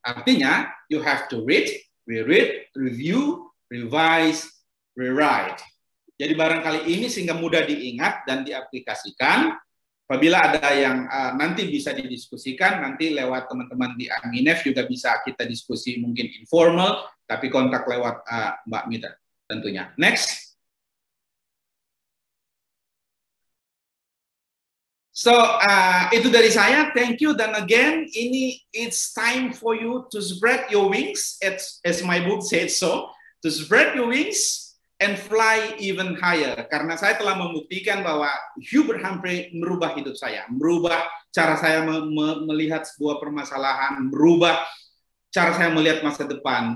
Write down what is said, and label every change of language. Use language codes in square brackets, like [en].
[id] Artinya [en] you have to read, reread, review, revise, rewrite. [id] Jadi barangkali ini sehingga mudah diingat dan diaplikasikan. Apabila ada yang nanti bisa didiskusikan, nanti lewat teman-teman di Aminef juga bisa kita diskusi mungkin informal, tapi kontak lewat Mbak Mita tentunya. [en] Next. [id] So, itu dari saya. [en] Thank you. [id] Dan [en] again, ini it's time for you to spread your wings, as my book said so, to spread your wings and fly even higher. [id] Karena saya telah membuktikan bahwa Hubert Humphrey merubah hidup saya, merubah cara saya melihat sebuah permasalahan, merubah cara saya melihat masa depan.